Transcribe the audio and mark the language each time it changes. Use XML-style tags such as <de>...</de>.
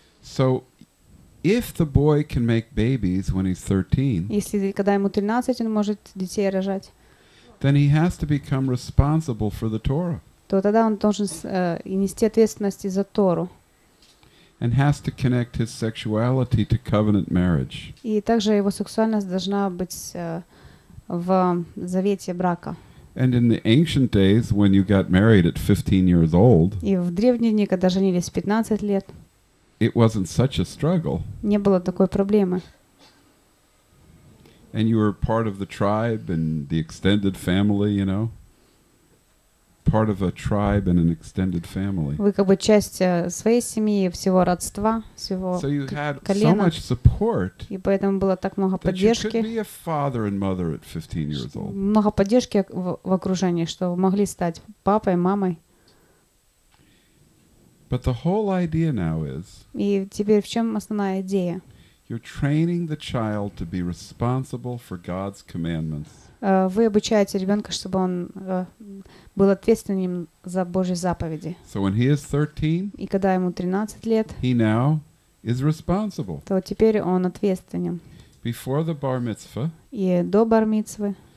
<en>So, if the boy can make babies when he's 13,</en> <ru>если когда ему 13, он может детей рожать,</ru> <en>then he has to become responsible for the Torah.</en> <ru>То тогда он должен нести ответственность за Тору.</ru> <en>And has to connect his sexuality to covenant marriage.</en> <ru>И также его сексуальность должна быть в завете брака.</ru> <en>And in the ancient days, when you got married at 15 years old,</en> <ru>и в древние дни, когда женились 15 лет,</ru> <en>it wasn't such a struggle.</en> <ru>Не было такой проблемы.</ru> <en>And you were part of the tribe and the extended family, you know? Part of a tribe and an extended family.</en> <ru>Вы как бы часть своей семьи, всего родства, всего колена.</ru> <en>So you had so much support.</en> <ru>И поэтому было так много поддержки.</ru> <en>That you could be a father and mother at 15 years old.</en> <ru>Много поддержки в окружении, что вы могли стать папой, мамой.</ru> <en>But the whole idea now is.</en> <ru>И теперь в чем основная идея?</ru> <en>You're training the child to be responsible for God's commandments.</en> <ru>Вы обучаете ребенка, чтобы он был ответственным за Божьи заповеди.</ru> <en>So when he is 13,</en> <ru>и когда ему 13 лет,</ru> <en>he now is responsible.</en> <ru>То теперь он ответственен.</ru> <en>Before the bar mitzvah,</en> <ru>и до бар мицвы,</ru>